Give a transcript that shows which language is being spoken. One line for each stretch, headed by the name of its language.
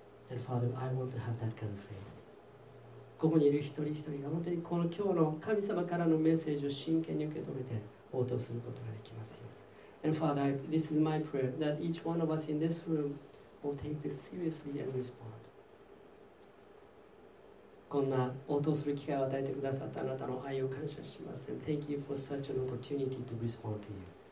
English: And Father, I want to have that kind of faith.
Japanese: ここにいる一人一人が本当にこの今日の神様からのメッセージを真剣に受け止めて応答することができますように。
English: And Father, this is my prayer that each one of us in this room. We'll take this seriously and respond.
Japanese: こんな応答する機会を与えてくださったあなたの愛を感謝します。
English: And thank you for such an opportunity to respond to you.